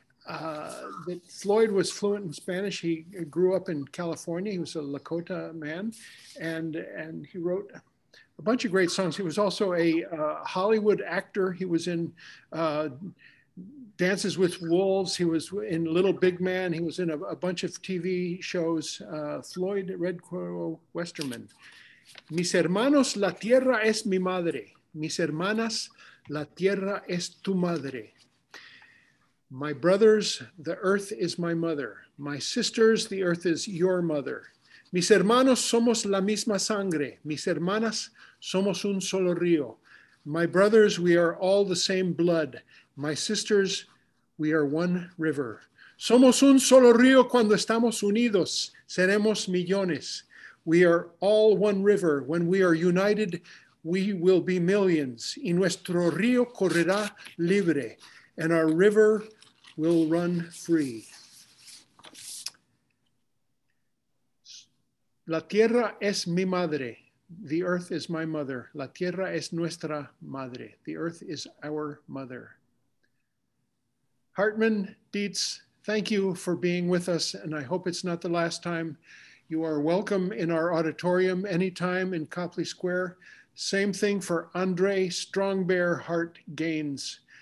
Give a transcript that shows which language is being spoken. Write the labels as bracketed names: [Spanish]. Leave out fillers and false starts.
[English] That Floyd was fluent in Spanish. He grew up in California. He was a Lakota man. And he wrote a bunch of great songs. He was also a Hollywood actor. He was in Dances with Wolves. He was in Little Big Man. He was in a bunch of TV shows. Floyd Red Crow Westerman. [Spanish] Mis hermanos, la tierra es mi madre. Mis hermanas, la tierra es tu madre. [English] My brothers, the earth is my mother. My sisters, the earth is your mother. [Spanish] Mis hermanos, somos la misma sangre. Mis hermanas, somos un solo río. [English] My brothers, we are all the same blood. My sisters, we are one river. [Spanish] Somos un solo río cuando estamos unidos. Seremos millones. [English] We are all one river. When we are united, we will be millions. [Spanish] Y nuestro río correrá libre. [English] And our river will run free. [Spanish] La tierra es mi madre. [English] The earth is my mother. [Spanish] La tierra es nuestra madre. [English] The earth is our mother. Hartman, Deetz, thank you for being with us, and I hope it's not the last time. You are welcome in our auditorium anytime in Copley Square. Same thing for Andre Strong Bear Hart Gaines.